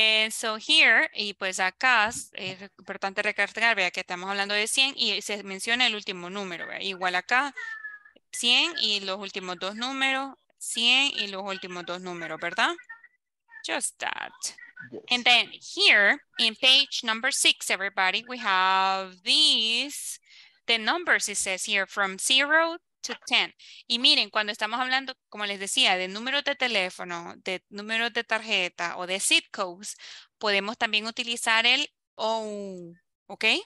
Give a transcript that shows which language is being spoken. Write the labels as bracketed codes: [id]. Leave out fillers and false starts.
[es] So here, y pues acá, es importante recalcar, vea que estamos hablando de 100 y se menciona el último número, ¿verdad? Igual acá, 100 y los últimos dos números, 100 y los últimos dos números, ¿verdad? [en] Just that. Yes. And then here in page number 6, everybody, we have these, the numbers it says here from 0 to 10. [es] Y miren, cuando estamos hablando, como les decía, de números de teléfono, de números de tarjeta o de zip codes, podemos también utilizar el O, ¿ok?